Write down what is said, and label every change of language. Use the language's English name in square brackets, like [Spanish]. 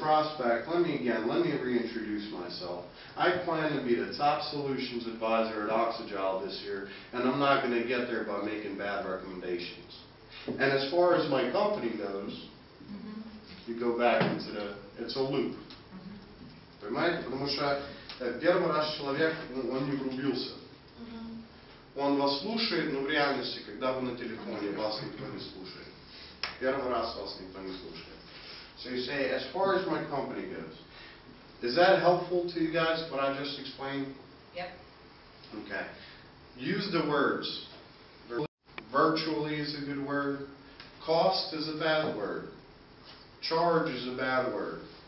[English] Prospect, let me reintroduce myself. I plan to be the top solutions advisor at Oxagel this year, and I'm not going to get there by making bad recommendations. And as far as my company goes, you go back into the, it's a loop. [Russian] Он вас слушает, но в реальности, когда вы на телефоне, вас никто не слушает. Первый раз вас никто не слушает. [English] So you say, as far as my company goes, is that helpful to you guys, what I just explained? Yep. Okay. Use the words. Virtually is a good word. Cost is a bad word. Charge is a bad word.